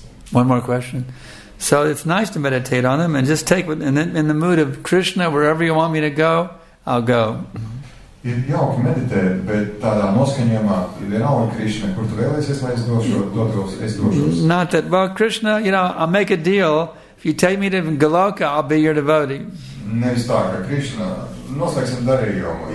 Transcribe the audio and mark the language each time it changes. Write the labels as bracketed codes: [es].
[en] One more question. So it's nice to meditate on him and just take, in the mood of Krishna, wherever you want me to go, I'll go. [lv] Ir jauki meditē, bet tādā noskaņojumā ir vienalga Krišna, kur tu vēlēsies, lai es došos. [en] Not that, well, Krishna, you know, I'll make a deal. If you take me to Goloka, I'll be your devotee. [lv] Nevis tā, ka Krišna, noslēgsim darījumu.